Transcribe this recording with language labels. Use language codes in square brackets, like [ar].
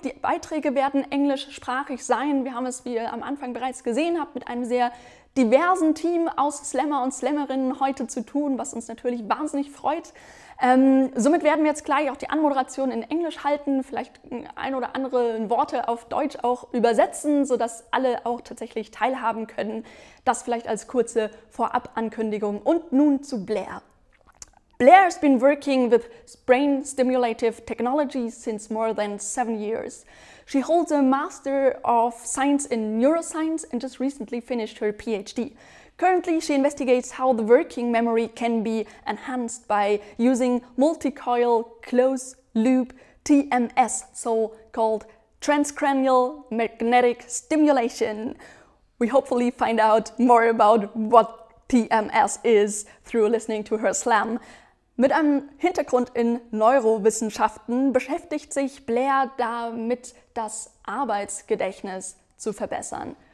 [de] Die Beiträge werden englischsprachig sein. Wir haben es, wie ihr am Anfang bereits gesehen habt, mit einem sehr diversen Team aus Slammer und Slammerinnen heute zu tun, was uns natürlich wahnsinnig freut. Somit werden wir jetzt gleich auch die Anmoderation in Englisch halten, vielleicht ein oder andere Worte auf Deutsch auch übersetzen, sodass alle auch tatsächlich teilhaben können. Das vielleicht als kurze Vorab-Ankündigung. Und nun zu Blair. [en] Blair has been working with brain stimulative technology since more than 7 years. She holds a Master of Science in Neuroscience and just recently finished her PhD. Currently, she investigates how the working memory can be enhanced by using multi-coil closed-loop TMS, so-called transcranial magnetic stimulation. We hopefully find out more about what TMS is through listening to her slam. [de] Mit einem Hintergrund in Neurowissenschaften beschäftigt sich Blair damit, das Arbeitsgedächtnis zu verbessern.